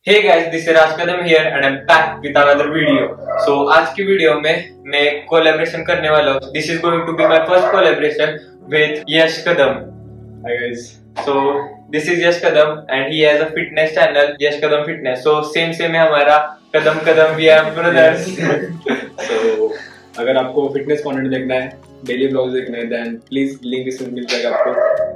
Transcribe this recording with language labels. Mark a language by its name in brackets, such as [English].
[English] Hey guys, this is Raj Kadam here and I'm back with another video. [Hindi] So, आज की video में मैं collaboration करने वाला हूँ. [English] This is going to be my first collaboration with Yash Kadam. Hi guys. So, this is Yash Kadam and he has a fitness channel, Yash Kadam Fitness. So, same [Hindi] है हमारा [English] Kadam Kadam, we are brothers. [Hindi] So, अगर आपको fitness content देखना है, daily vlogs देखना है, [English] then please link [Hindi] इसमें मिल जाएगा आपको.